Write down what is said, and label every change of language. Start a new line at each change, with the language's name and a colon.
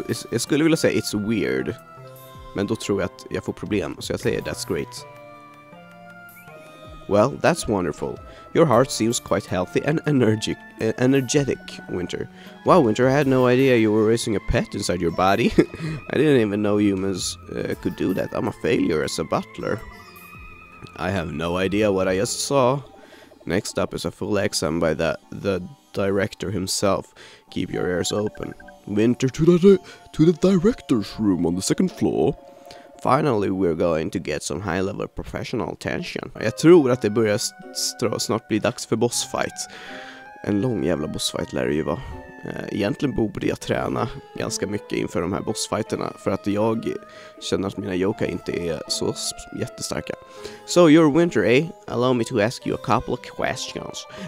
Swedish: Jag skulle vilja säga
English: it's weird.
Swedish: Men då tror jag att jag får problem, så jag säger
English: that's great. Well, that's wonderful. Your heart seems quite healthy and energetic, Winter. Wow, Winter, I had no idea you were raising a pet inside your body. I didn't even know humans could do that. I'm a failure as a butler. I have no idea what I just saw. Next up is a full exam by the director himself. Keep your ears open. Winter, to the director's room on the second floor. Finally we're going to get some high level professional attention.
Swedish: Jag tror att det börjar snart bli dags för bossfight. En lång jävla bossfight lär det ju vara. Egentligen borde jag träna ganska mycket inför de här bossfighterna, för att jag känner att mina yokai inte är så jättestarka.
English: So you're Winter, eh? Allow me to ask you a couple of questions.